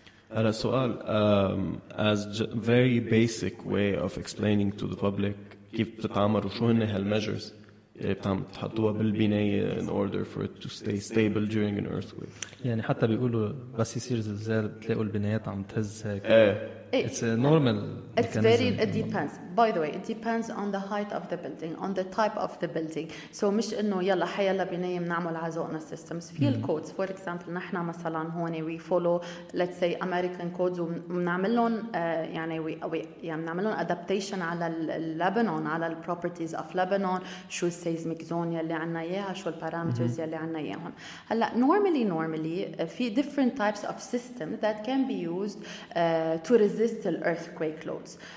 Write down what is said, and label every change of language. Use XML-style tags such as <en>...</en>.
<ar>على سؤال</ar> <en>as very basic way of explaining to the public</en> <ar>كيف بتتعمر وشو هن هالمجرز اللي بتعم تحطوها بالبناية</ar> <en>in order for it to stay stable during an earthquake.</en> <ar>يعني حتى بيقولوا بس يصير زلزال بتلاقوا البنايات عم تهز هيك.</ar> <en>It's a normal mechanism. It's very, it depends. By the way, it depends on the height of the building, on the type of the building.</en> <ar>So مش إنه يلا حيلا بناية بنعمل عزقنا systems.</ar> <en>في الكودز. For example,</en> <ar>نحنا مثلا هون</ar> <en>we follow, let's say, American codes</en> <ar>ومنعملون يعني</ar> <en>we منعملون adaptation على Lebanon, على the properties of Lebanon.</en> <ar>شو seismic zone يلي عنا إياها، شو parameters يلي عنا إياهم.</ar> <en>هلا normally في different types of system that can be used to resist the earthquake loads.</en>